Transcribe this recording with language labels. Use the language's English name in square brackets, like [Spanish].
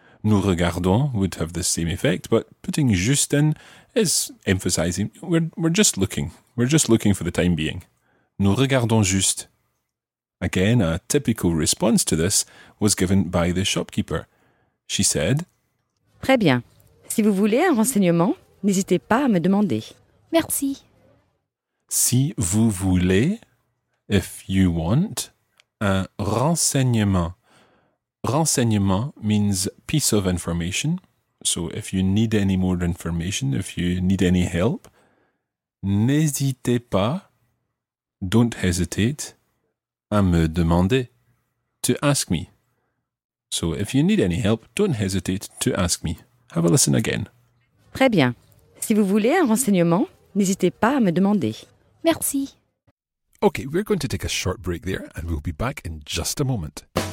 [French] Nous regardons [English] would have the same effect, but putting juste in is emphasizing, we're just looking. We're just looking for the time being. [French] Nous regardons juste. [English] Again, a typical response to this was given by the shopkeeper. She said, [French] très bien. Si vous voulez un renseignement, n'hésitez pas à me demander. Merci. Si vous voulez, [English] if you want, [French] un renseignement. [English] Renseignement means piece of information. So if you need any more information, if you need any help, [French] n'hésitez pas, [English] don't hesitate, [French] à me demander, [English] to ask me. So if you need any help, don't hesitate to ask me. Have a listen again. [French] Très bien. Si vous voulez un renseignement, n'hésitez pas à me demander. Merci. [English] Okay, we're going to take a short break there and we'll be back in just a moment.